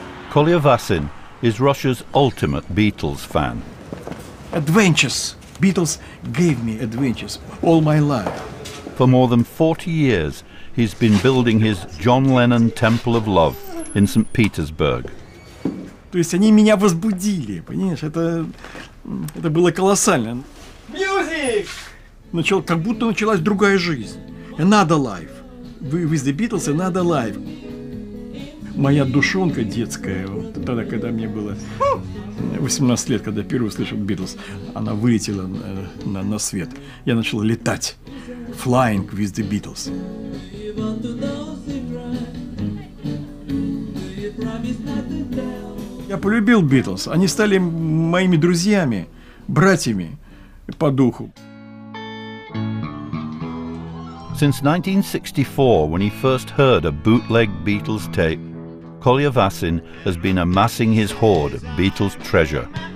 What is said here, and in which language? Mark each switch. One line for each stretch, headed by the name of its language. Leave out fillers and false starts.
English: Kolya Vasin is Russia's ultimate Beatles fan. Adventures. Beatles gave me adventures all my life. For more than 40 years, he's been building his John Lennon Temple of Love in St. Petersburg.
Russian: То есть они меня возбудили, понимаешь? Это было колоссально.
English: Music!
Russian: Начал, как будто началась другая жизнь.
English: Another life. With the Beatles, another life.
Russian: Моя душонка детская, вот тогда, когда мне было 18 лет, когда первый услышал Beatles, она вылетела на свет. Я начал летать.
English: Flying with the Beatles.
Russian: Я полюбил Beatles. Они стали моими друзьями, братьями по духу.
English: Since 1964, when he first heard a bootleg Beatles tape, Kolya Vasin has been amassing his hoard of Beatles treasure.